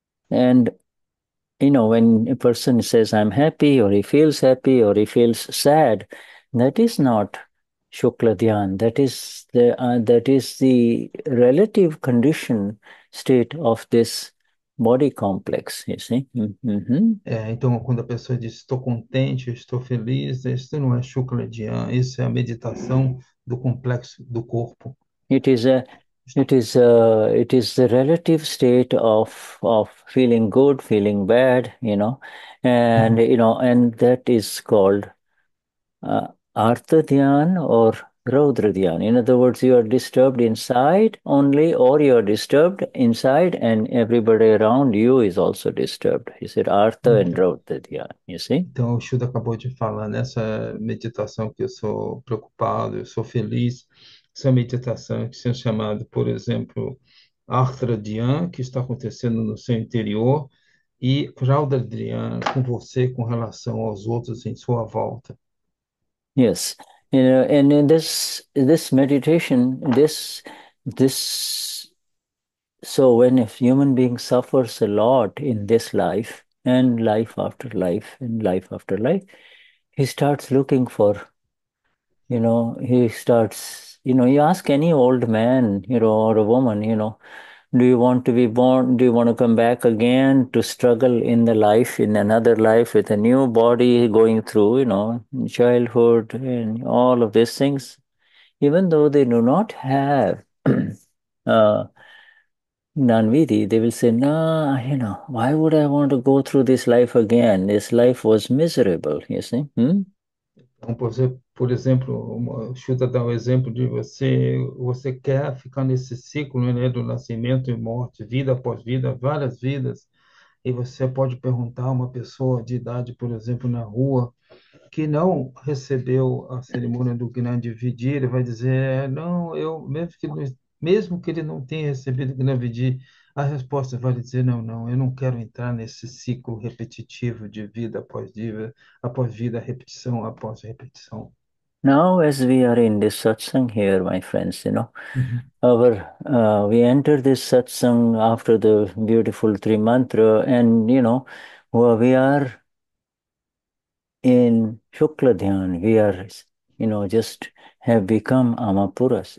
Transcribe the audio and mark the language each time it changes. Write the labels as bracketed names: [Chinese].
[English] And you know, when a person says I'm happy, or he feels happy, or he feels sad, that is not Shukla Dhyan. That is the relative condition state of this Body complex, you see? [Portuguese] É, então, quando a pessoa diz estou contente, estou feliz, isso não é Shukla Dhyan, isso é a meditação do complexo do corpo. [English] It is a relative state of feeling good, feeling bad, and that is called Artha Dhyan or Rudra Dhyan. In other words, you are disturbed inside only, or you are disturbed inside and everybody around you is also disturbed. He said Artha and Rudra Dhyan, you see? [Portuguese] Então, o Shuda acabou de falar nessa meditação que eu sou preocupado, eu sou feliz. Essa meditação que se chama, por exemplo, Artha Dhyan, que está acontecendo no seu interior, e Rudra Dhyan com você com relação aos outros em sua volta. [English] Yes, and in this meditation, so when a human being suffers a lot in this life and life after life and life after life, he starts looking for, he starts, you ask any old man, or a woman, do you want to be born? Do you want to come back again to struggle in the life, in another life with a new body going through, childhood and all of these things? Even though they do not have Nanvidhi, they will say, nah, why would I want to go through this life again? This life was miserable, you see? [Portuguese] Então, por exemplo, o Shuda dá o exemplo de você quer ficar nesse ciclo, né, do nascimento e morte, vida após vida, várias vidas, e você pode perguntar a uma pessoa de idade, por exemplo, na rua, que não recebeu a cerimônia do Gnana de Vidhi, ele vai dizer, não, eu mesmo que ele não tenha recebido o Gnana de Vidhi, a resposta vai dizer, não, não, eu não quero entrar nesse ciclo repetitivo de vida após vida, repetição após repetição. [English] Now, as we are in this satsang here, my friends, we enter this satsang after the beautiful Tri Mantra, and we are in Shukla Dhyan. We are, just have become Amapuras.